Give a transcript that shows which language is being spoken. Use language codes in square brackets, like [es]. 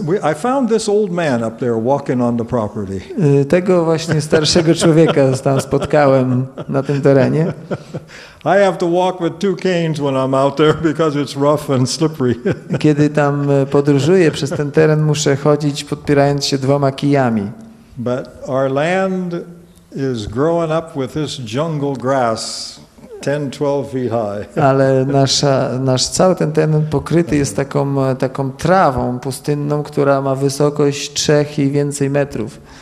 [en] I found this old man up there walking on the property. [pl] Tego właśnie starszego człowieka tam spotkałem na tym terenie. [en] I have to walk with two canes when I'm out there because it's rough and slippery. [pl] Kiedy tam podróżuję przez ten teren, muszę chodzić podpierając się dwoma kijami. [en] But our land is growing up with this jungle grass. 10-12 feet high. [pl] Ale nasz cały ten teren pokryty jest taką trawą pustynną, która ma wysokość 3 i więcej metrów.